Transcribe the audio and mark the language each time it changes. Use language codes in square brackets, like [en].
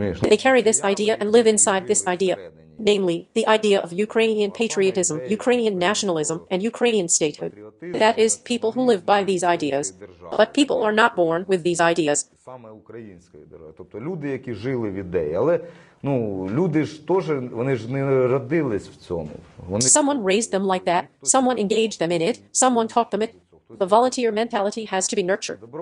[en] They carry this idea and live inside this idea. Namely, the idea of Ukrainian patriotism, Ukrainian nationalism, and Ukrainian statehood. That is, people who live by these ideas. But people are not born with these ideas. [uk] Тобто люди, які жили в ідеї. Але, ну, люди ж теж, вони ж не родились в цьому. [en] Someone raised them like that. Someone engaged them in it. Someone taught them it. The volunteer mentality has to be nurtured.